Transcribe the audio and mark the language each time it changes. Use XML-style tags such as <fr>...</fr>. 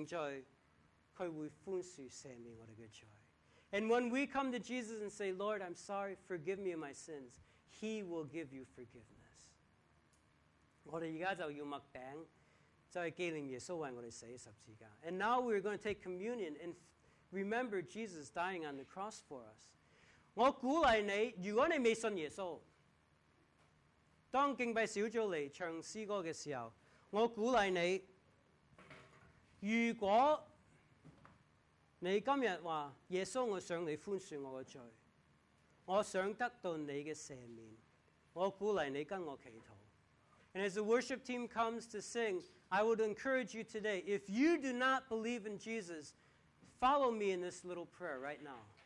<zh>当我们在神的面前认罪,他会宽恕赦免我们的罪。</zh> <en>And when we come to Jesus and say, Lord, I'm sorry, forgive me of my sins, he will give you forgiveness.</en> <zh>我们现在就要默饼, 就是纪念耶稣为我们死的十字架。</zh> <en>And now we're going to take communion and remember Jesus dying on the cross for us.</en> <zh>我鼓励你, 如果你未信耶稣, 当敬拜小组来唱诗歌的时候, 我鼓励你, 如果你今天说, 耶稣我想你宽恕我的罪, 我想得到你的赦免, 我鼓励你跟我祈祷。</zh> <en>And as the worship team comes to sing, I would encourage you today, if you do not believe in Jesus, follow me in this little prayer right now.</en>